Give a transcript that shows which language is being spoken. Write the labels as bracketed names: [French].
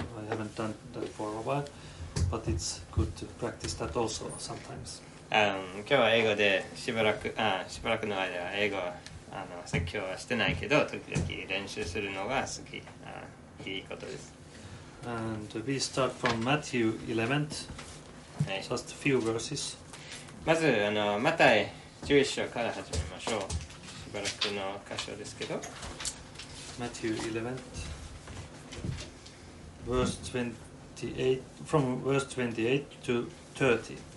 [English] I haven't done that for a while, but it's good to practice that also sometimes. [Japanese] 今日は英語でしばらくの間は英語説教はしてないけど、時々練習するのが好き、いいことです。 [English] And we start from Matthew 11, just a few verses. [Japanese] まずマタイ11章から始めましょう。しばらくの箇所ですけど。 [English] Matthew 11, verse 28, from verse 28 to 30.